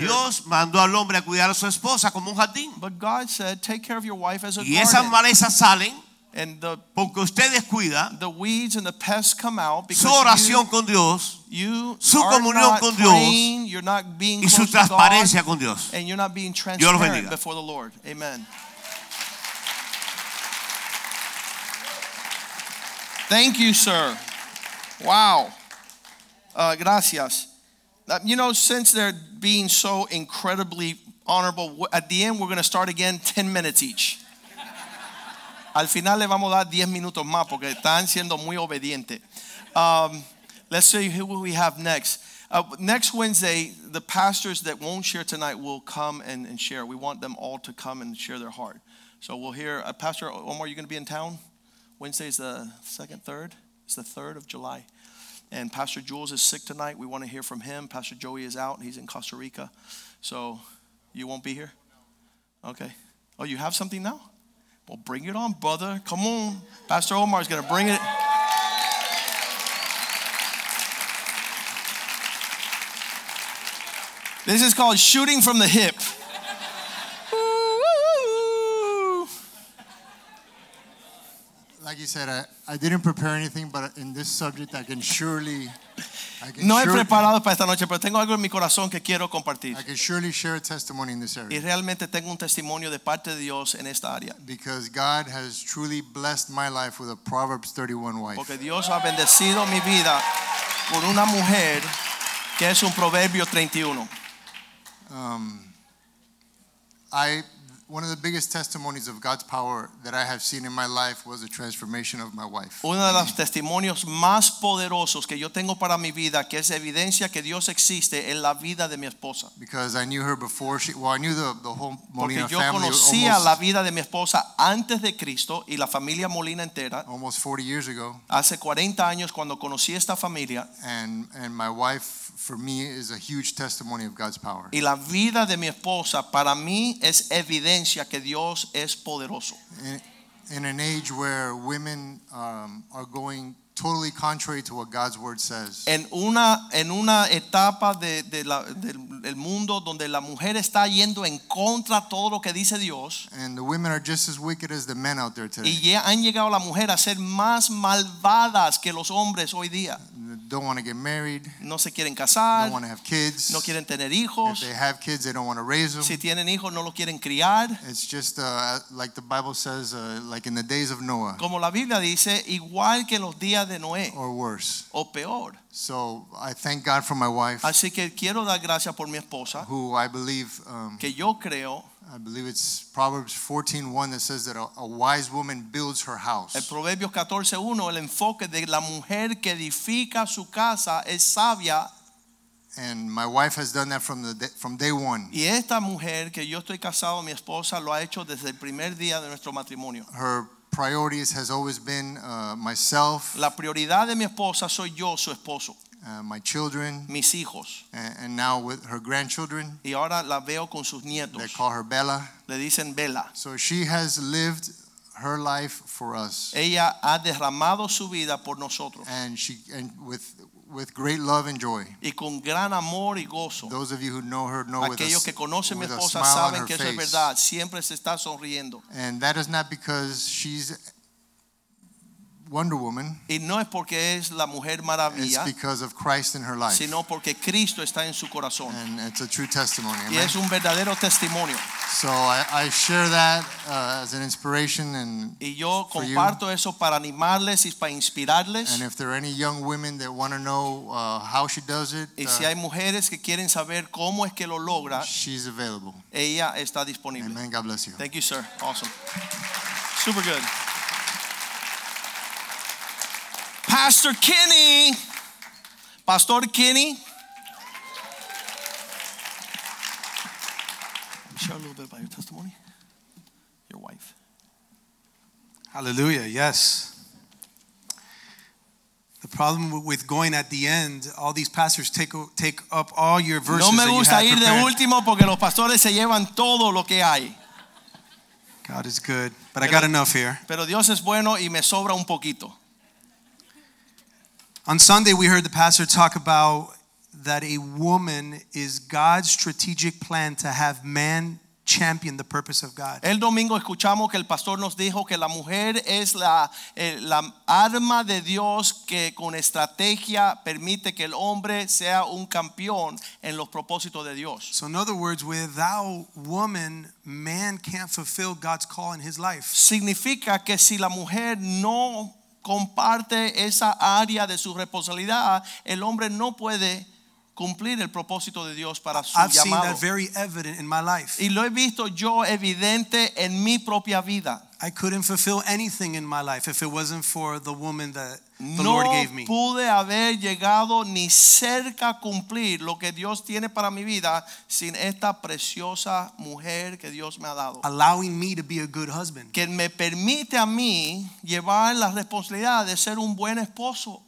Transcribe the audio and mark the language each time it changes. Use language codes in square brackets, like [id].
[es] Dios mandó al hombre a cuidar a su esposa como un jardín. [en] But God said, take care of your wife as a garden. [es] Y esas malezas salen [en] and the, [es] porque usted descuida. [en] The weeds and the pests come out because [es] su oración [en] you, [es] con Dios, [en] you [es] su comunión con [en] clean, [es] Dios, [en] you're not being [es] y su transparencia [en] God, [es] con Dios. [en] And you're not being transparent before the Lord. Amen. Thank you, sir. Wow. Gracias. You know, since they're being so incredibly honorable, at the end we're going to start again 10 minutes each. [es] Al final le vamos a dar 10 minutos más porque están siendo muy obedientes. [en] Let's see who we have next. Next Wednesday, the pastors that won't share tonight will come and share. We want them all to come and share their heart. So we'll hear, Pastor Omar, are you going to be in town? Wednesday is the 2nd, 3rd? It's the 3rd of July. And Pastor Jules is sick tonight. We want to hear from him. Pastor Joey is out. He's in Costa Rica. So you won't be here? Okay. Oh, you have something now? Well, bring it on, brother. Come on. Pastor Omar is going to bring it. This is called shooting from the hip. Like you said, I didn't prepare anything, but in this subject, [es] no he preparado para esta noche, pero tengo algo en mi corazón que quiero compartir. [en] I can surely share a testimony in this area. [es] Y realmente tengo un testimonio de parte de Dios en esta área. [en] Because God has truly blessed my life with a Proverbs 31 wife. [es] Porque Dios ha bendecido mi vida con una mujer que es un Proverbio 31. [en] I One of the biggest testimonies of God's power that I have seen in my life was the transformation of my wife. [es] Uno de los testimonios más poderosos que yo tengo para mi vida, que es evidencia que Dios existe en la vida de mi esposa. [en] Because I knew her before she, well, I knew the whole Molina family. [es] Porque yo conocía [en] almost, [es] la vida de mi esposa antes de Cristo y la familia Molina entera. [en] Almost 40 years ago. [es] Hace 40 años cuando conocí esta familia. [en] And my wife, for me, is a huge testimony of God's power. [es] Y la vida de mi esposa para mí es evidencia que Dios es poderoso. [en] In an age where women are going totally contrary to what God's word says. [es] En una etapa del mundo donde la mujer está yendo en contra todo lo que dice Dios. [en] And the women are just as wicked as the men out there today. [es] Y han llegado la mujer a ser más malvadas que los hombres hoy día. [en] Don't want to get married. [es] No se quieren casar. [en] Don't want to have kids. [es] No quieren tener hijos. [en] If they have kids, they don't want to raise them. [es] Si tienen hijos, no lo quieren criar. [en] It's just like the Bible says, like in the days of Noah. [es] Como la Biblia dice, igual que los días de Noé. [en] Or worse. [es] O peor. [en] So I thank God for my wife. [es] Así que quiero dar gracias por mi esposa. [en] Who I believe. [es] Que yo creo. [en] I believe it's Proverbs 14:1 that says that a wise woman builds her house. [es] El Proverbios 14:1, el enfoque de la mujer que edifica su casa es sabia. [en] And my wife has done that from day one. [es] Y esta mujer que yo estoy casado, mi esposa, lo ha hecho desde el primer día de nuestro matrimonio. [en] Her priorities has always been myself. [es] La prioridad de mi esposa soy yo, su esposo. [en] My children, [es] mis hijos, [en] and now with her grandchildren, [es] y ahora la veo con sus nietos. [en] They call her Bella. [es] Le dicen Bella. [en] So she has lived her life for us. [es] Ella ha derramado su vida por nosotros. [en] And with great love and joy. [es] Y con gran amor y gozo. [en] Those of you who know her know [es] aquellos [en] with a, [es] que conocen [en] with [es] mi esposa saben que eso es verdad. Siempre se está sonriendo. [en] And that is not because she's Wonder Woman. [es] Y no es porque es la mujer maravilla. [en] It's because of Christ in her life. [es] Sino porque Cristo está en su corazón. [en] And it's a true testimony. [es] Y es un verdadero testimonio. [en] So I share that as an inspiration and [es] y yo comparto [en] for you. [es] Eso para animarles y para inspirarles. [en] And if there are any young women that want to know how she does it, [es] y si hay mujeres que quieren saber cómo es que lo logra, [en] she's available. [es] Ella está disponible. [en] Amen. God bless you. Thank you, sir. Awesome. Super good. Pastor Kenny. Pastor Kenny. Share a little bit about your testimony. Your wife. Hallelujah, yes. The problem with going at the end, all these pastors take up all your verses. [es] No me gusta [en] that you have [es] ir [en] prepared. [es] De último porque los pastores se llevan todo lo que hay. [en] God is good, but I got enough here. [es] Pero Dios es bueno y me sobra un poquito. [en] On Sunday, we heard the pastor talk about that a woman is God's strategic plan to have man champion the purpose of God. [es] El domingo escuchamos que el pastor nos dijo que la mujer es la arma de Dios que con estrategia permite que el hombre sea un campeón en los propósitos de Dios. [en] So in other words, without woman, man can't fulfill God's call in his life. [es] Significa que si la mujer no comparte esa área de su responsabilidad, el hombre no puede cumplir el propósito de Dios para su [en] I've [es] llamado. [en] Seen that very evident in my life. [es] Y lo he visto yo evidente en mi propia vida. [en] I couldn't fulfill anything in my life if it wasn't for the woman that the [es] no [en] Lord gave me. [es] No pude haber llegado ni cerca cumplir lo que Dios tiene para mi vida sin esta preciosa mujer que Dios me ha dado. [en] Allowing me to be a good husband. [es] Que me permite a mí llevar la responsabilidad de ser un buen esposo.